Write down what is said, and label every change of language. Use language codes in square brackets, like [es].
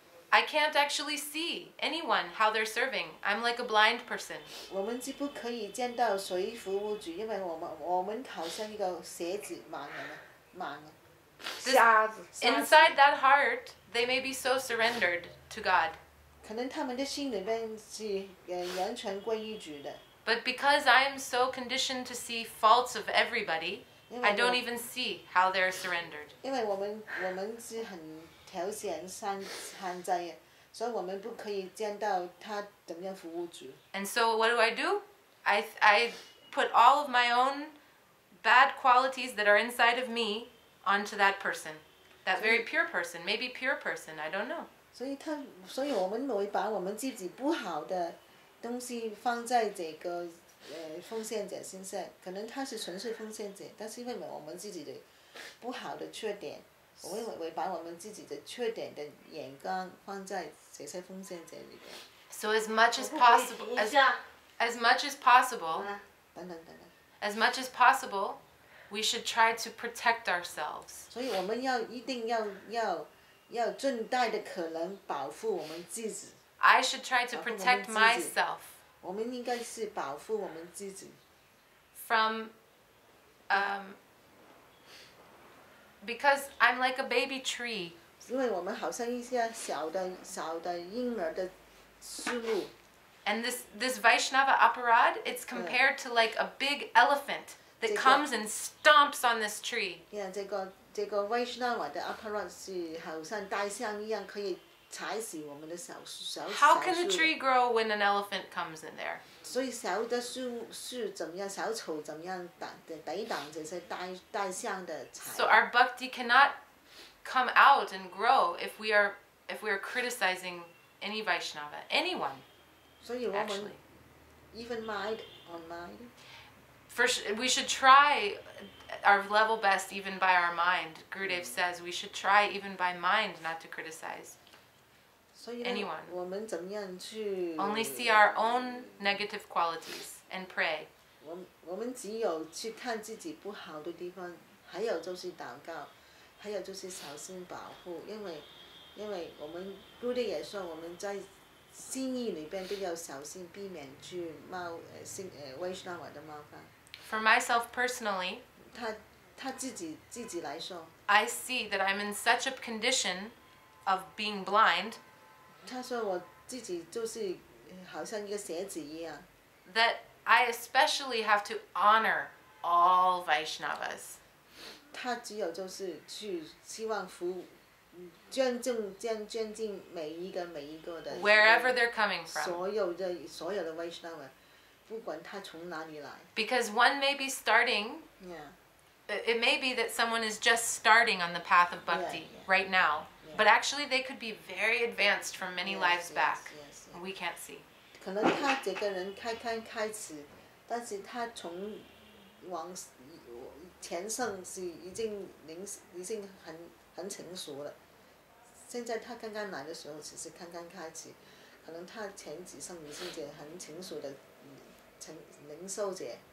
[en] I can't actually see anyone how they're serving. I'm like a blind person. [zh] 我们既不可以见到谁服务主，因为我们好像一个瞎子盲人，盲人。瞎子。 [en] Inside that heart, they may be so surrendered to God. [zh] 可能他们的心里边是完全归于主的。 [en] But because I am so conditioned to see faults of everybody, I don't even see how they are surrendered. [zh] 因为我们是很挑拣善哉，所以我们不可以见到他怎么样服务主。 [en] And so what do? I put all of my own bad qualities that are inside of me onto that person, that very pure person, maybe pure person. I don't know. [zh] 所以我们会把我们自己不好的东西放在这个奉献者身上，可能他是纯粹奉献者，但是因为我们自己的不好的缺点，我们会把我们自己的缺点的眼光放在这些奉献者里边。 [en] So as much as possible, as much as possible, [zh] 等等等等 [en] as much as possible, we should try to protect ourselves. [zh] 所以我们要一定要。要尽大的可能保护我们自己。 [en] I should try to protect myself. [zh] 我们应该是保护我们自己。 [en] From, because I'm like a baby tree. [zh] 因为我们好像一些小的婴儿的树木。 [en] And this Vaishnava aparad, it's compared to like a big elephant that comes and stomps on this tree. [zh] Yeah, 这个 Vaishnava 的 aparad 是好像大象一样，可以踩死我们的小树。 [en] How can a tree grow when an elephant comes in there? [zh] 所以小的树怎么样，小丑怎么样抵挡这些大象的踩。 [en] So our bhakti cannot come out and grow if we are criticizing any Vaishnava, anyone. [zh] 所以我们 [en] actually, even mind on mind. First, we should try. Our level best even by our mind. Gurudev says we should try even by mind not to criticize anyone. [zh] 我们怎么样去 [en] Only see our own negative qualities and pray. [zh] 我们只有去看自己不好的地方，还有就是祷告，还有就是小心保护，因为我们 Gurudev 也说我们在心意里边都要小心，避免去冒Vaishnava的冒犯。 [en] For myself personally, [zh] 他自己来说 [en] I see that I'm in such a condition of being blind. [zh] 他说我自己就是好像一个瞎子一样 [en] That I especially have to honor all Vaishnavas. [zh] 他只有就是去希望服务尊敬每一个的 [en] Wherever they're coming from. [zh] 所有的 Vaishnava, 不管他从哪里来 [en] Because one may be starting. Yeah. It may be that someone is just starting on the path of bhakti yeah, yeah. right now, yeah. but actually they could be very advanced from many yes, lives yes, back. Yes, yes, yes. We can't see. [zh] 可能他这个人开始，但是他从往前上是已经很成熟了。现在他刚刚来的时候只是刚刚开始，可能他前几上已经是很成熟的零售者。